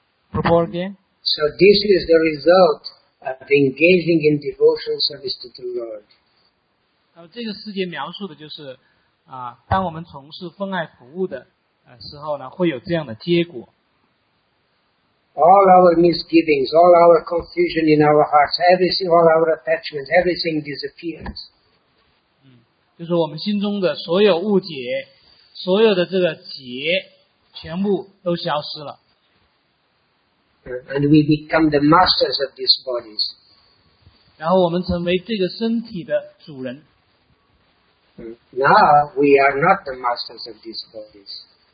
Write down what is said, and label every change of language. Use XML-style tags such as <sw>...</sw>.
<en>Propose again. So this is the result of engaging in devotional service to the Lord.</en> <zh>这个诗节描述的就是当我们从事奉爱服务的时候呢，会有这样的结果。</zh> <en>All our misgivings, all our confusion in our hearts, everything, all our attachments, everything disappears.</en> <zh>就是我们心中的所有误解，所有的这个结，全部都消失了。</zh> <en>And we become the masters of these bodies.</en> <zh>然后我们成为这个身体的主人。</zh> <en>Now we are not the masters of these bodies.</en>